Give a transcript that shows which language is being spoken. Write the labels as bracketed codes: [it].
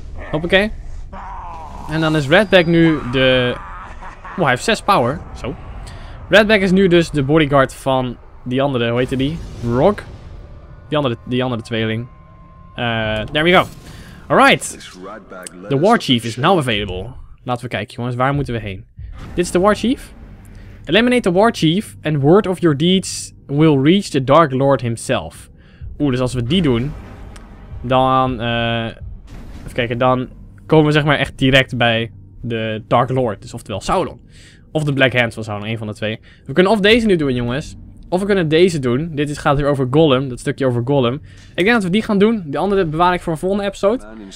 [nl] Hoppakee. En dan is Redback nu de... Oh, hij heeft 6 power. Zo. Redback is nu dus de bodyguard van die andere, hoe heette die? Brock? Die andere tweeling. [en] There we go. Alright. The Warchief is now available. [nl] Laten we kijken jongens, waar moeten we heen? Dit is de Warchief. [en] Eliminate the Warchief and word of your deeds will reach the Dark Lord himself. [nl] Oeh, dus als we die doen, dan, even kijken, dan komen we zeg maar echt direct bij de Dark Lord. Dus oftewel Sauron. Of de Black Hands van Sauron, een van de twee. We kunnen of deze nu doen jongens, of we kunnen deze doen. Dit gaat weer over Gollum, dat stukje over Gollum. Ik denk dat we die gaan doen, die andere bewaar ik voor een volgende episode.